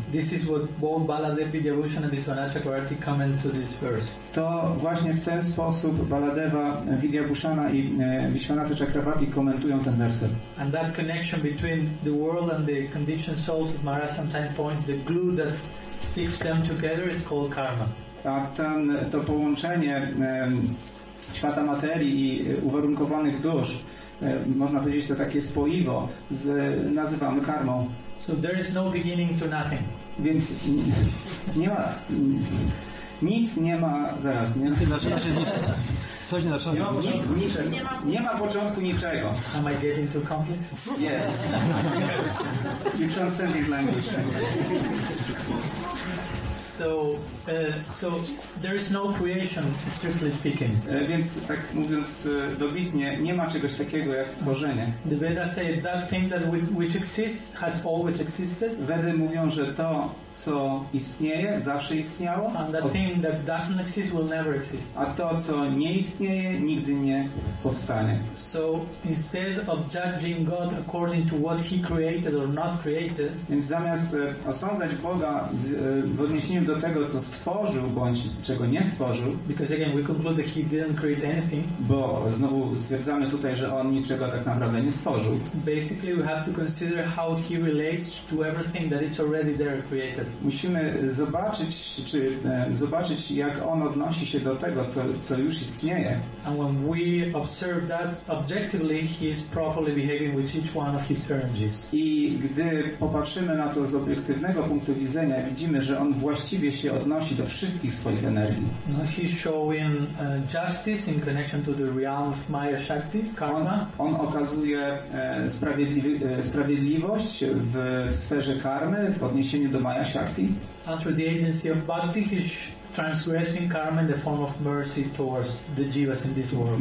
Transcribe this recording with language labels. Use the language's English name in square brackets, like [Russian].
[English] This is what both Baladeva Vidyavushan and Vishwanathakarati come into this verse. [Polish] To właśnie w ten sposób Baladeva Vidyavushana i Vishwanathakarati komentują ten werset. [English] And that connection between the world and the conditioned souls of Maharaj sometimes points, the glue that sticks them together is called karma. [Polish] A ten, to połączenie świata materii i uwarunkowanych dusz, można powiedzieć, to takie spoiwo, nazywamy karmą. [English] So there is no beginning to nothing. [Polish] Więc nie ma, nic nie ma, zaraz, nie? Zaczyna się z niczego. Coś nie zaczyna się z niczego. Nie ma początku niczego. [English] Am I getting too complex? Yes. You're transcending language. So there is no creation, strictly speaking. [Polish] Więc tak mówiąc dobitnie, nie ma czegoś takiego jak stworzenie. [English] The Vedas say that thing that which exists has always existed. [Polish] Wedy mówią, że to, co istnieje, zawsze istniało. [English] And that thing that doesn't exist will never exist. [Polish] A to, co nie istnieje, nigdy nie powstanie. [English] So instead of judging God according to what He created or not created. [Polish] Więc zamiast osądzać Boga w odniesieniu do tego, co stworzył bądź czego nie stworzył. [English] Because again, we conclude that He didn't create anything. [Polish] Bo znowu stwierdzamy tutaj, że On niczego tak naprawdę nie stworzył. [English] Basically, we have to consider how He relates to everything that is already there created. [Polish] Musimy zobaczyć, zobaczyć, jak on odnosi się do tego, co już istnieje. [English] And when we observe that objectively, he is properly behaving with each one of his energies. [Polish] I gdy popatrzymy na to z obiektywnego punktu widzenia, widzimy, że on właściwie się odnosi do wszystkich swoich energii. [English] No, he's showing justice in connection to the realm of Maya Shakti, karma. [Polish] On okazuje sprawiedliwość w sferze karmy w odniesieniu do Maya Shakti. [English] And through the agency of bhakti, he's transgressing karma in the form of mercy towards the jivas in this world.